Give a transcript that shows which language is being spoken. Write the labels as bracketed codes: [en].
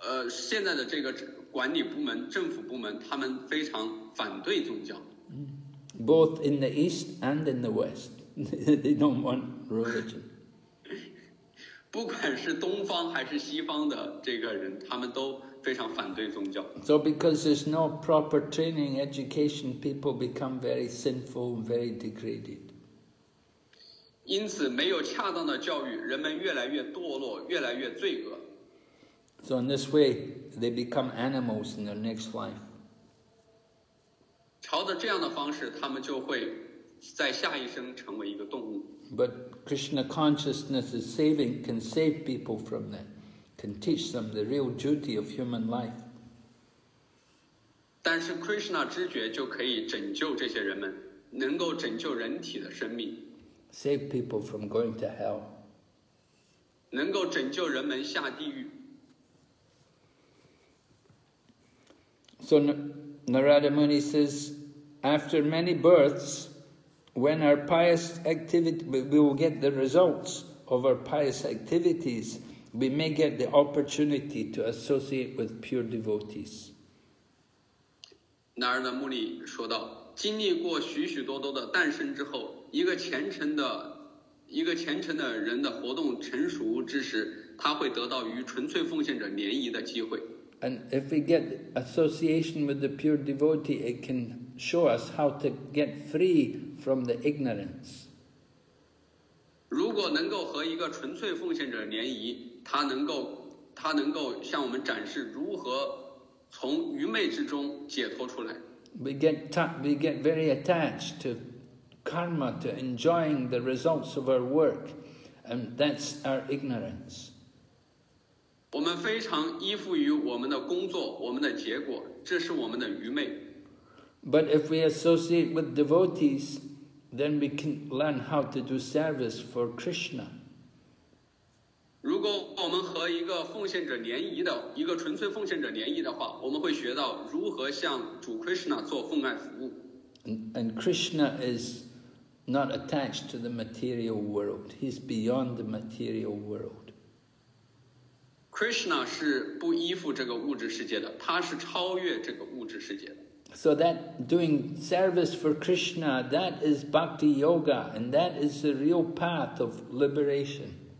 [zh] 现在的这个管理部门、政府部门，他们非常反对宗教。 [en] Both in the East and in the West, they don't want religion. [zh] 不管是东方还是西方的这个人，他们都非常反对宗教。 [en] So because there's no proper training education, people become very sinful, very degraded. [zh] 因此没有恰当的教育，人们越来越堕落，越来越罪恶。 [en] So in this way, they become animals in their next life. [zh] 朝着这样的方式，他们就会在下一生成为一个动物。 [en] But Krishna consciousness is saving, can save people from that, can teach them the real duty of human life. [zh] 但是 Krishna 知觉就可以拯救这些人们，能够拯救人体的生命。 [en] Save people from going to hell. [zh] 能够拯救人们下地狱。 [en] So Narada Muni says, after many births, when our pious activity, we will get the results of our pious activities, we may get the opportunity to associate with pure devotees. [zh] Narada Muni 说道，经历过许许多多的诞生之后，一个虔诚的人的活动成熟之时，他会得到与纯粹奉献者联谊的机会。 [en] And if we get association with the pure devotee, it can show us how to get free from the ignorance. [zh] 如果能够和一个纯粹奉献者联谊，他能够向我们展示如何从愚昧之中解脱出来。 [en] We get very attached to karma, to enjoying the results of our work, and that's our ignorance. [zh] 我们非常依附于我们的工作，我们的结果，这是我们的愚昧。 [en] But if we associate with devotees, then we can learn how to do service for Krishna. [zh] 如果我们和一个奉献者联谊的，一个纯粹奉献者联谊的话，我们会学到如何向主 Krishna 做奉爱服务。 [en] And Krishna is not attached to the material world. He's beyond the material world. [zh] Krishna 是不依附这个物质世界的，他是超越这个物质世界的。 [en] So that doing service for Krishna, that is bhakti yoga, and that is the real path of liberation.